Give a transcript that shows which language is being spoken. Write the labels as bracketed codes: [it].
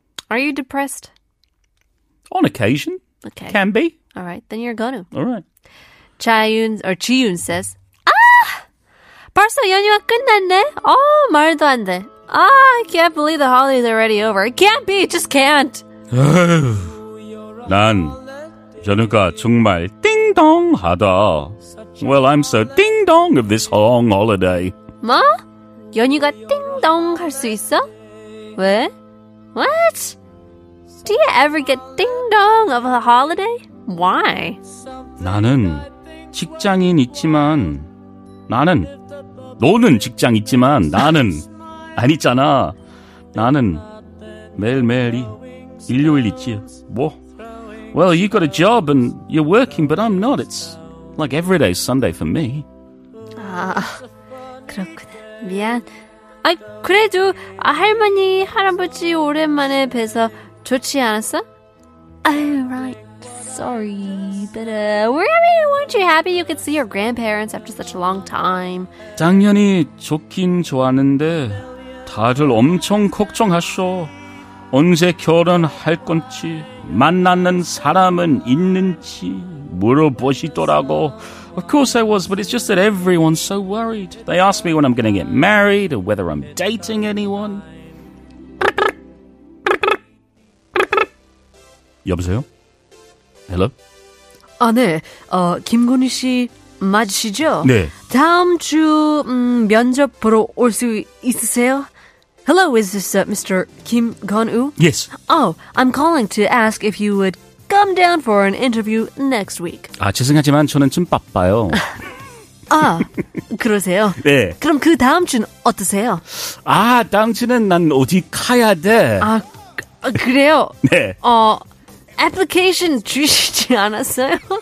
[en] Are you depressed? On occasion. Okay. Can be. All right. Then you're Ganu. All right. [ko] Ji-Yoon says, 벌써 연휴가 끝났네? 어, 말도 안 돼. [en] Oh, I can't believe the holidays are already over. It can't be. It just can't. [ko] 난 연휴가 정말 띵동하다. [en] Well, I'm so ding-dong of this long holiday. [ko] 뭐? 연휴가 띵동할 수 있어? 왜? [en] What? Do you ever get ding-dong of a holiday? Why? [ko] 나는 직장인 있지만 나는 너는 직장 있지만 나는 안 있잖아. 나는 매일매일이 일요일 있지. 뭐? [en] Well, you've got a job and you're working, but I'm not. It's like every day is Sunday for me. [ko] 아, 그렇구나. 미안. 아, 그래도 할머니, 할아버지 오랜만에 뵈서 좋지 않았어? [en] Oh, right. Sorry. But, weren't you happy you could see your grandparents after such a long time? [ko] 당연히 좋긴 좋았는데 다들 엄청 걱정하셔. 언제 결혼할 건지 만나는 사람은 있는지 물어보시더라고. [en] Of course I was, but it's just that everyone's so worried. They ask me when I'm going to get married or whether I'm dating anyone. [ko] 여보세요? [en] Hello? [ko] 아, 네. 김건희 씨 맞으시죠? 네. 다음 주 면접 보러 올 수 있으세요? [en] Hello, is this Mr. Kim Gun-woo? Yes. Oh, I'm calling to ask if you would come down for an interview next week. [ko] 아, 죄송하지만 저는 좀 바빠요. 아, 그러세요? 네. 그럼 그 다음 주는 어떠세요? 아, 다음 주는 난 어디 가야 돼? 아, 그래요? 네. 애플리케이션 주시지 않았어요?